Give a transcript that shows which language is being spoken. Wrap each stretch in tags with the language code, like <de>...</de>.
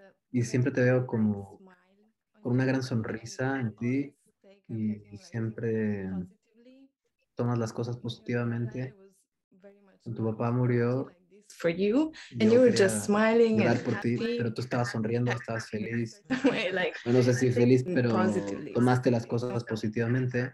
<es>Y siempre te veo como con una gran sonrisa en ti y siempre tomas las cosas positivamente. Tu papá murió.</es> <en>For you, and you were just smiling and happy.</en> <es>Ti, pero tú estabas sonriendo, estabas feliz. Like, no sé si feliz, pero tomaste las cosas positivamente.</es>